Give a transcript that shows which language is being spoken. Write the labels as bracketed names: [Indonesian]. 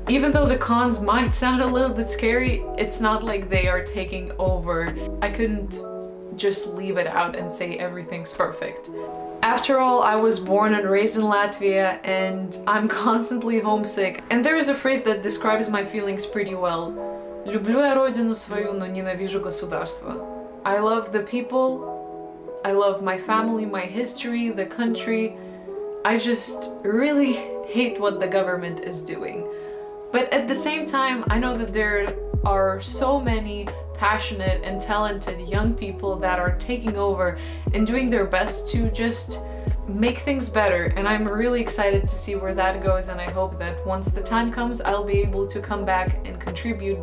[English] Even though the cons might sound a little bit scary, it's not like they are taking over. I couldn't just leave it out and say everything's perfect. After all, I was born and raised in Latvia and I'm constantly homesick. And there is a phrase that describes my feelings pretty well. [Russian] Люблю я родину свою, но ненавижу государство. [English] I love the people, I love my family, my history, the country. I just really hate what the government is doing. But at the same time, I know that there are so many passionate and talented young people that are taking over and doing their best to just make things better, and I'm really excited to see where that goes, and I hope that once the time comes I'll be able to come back and contribute.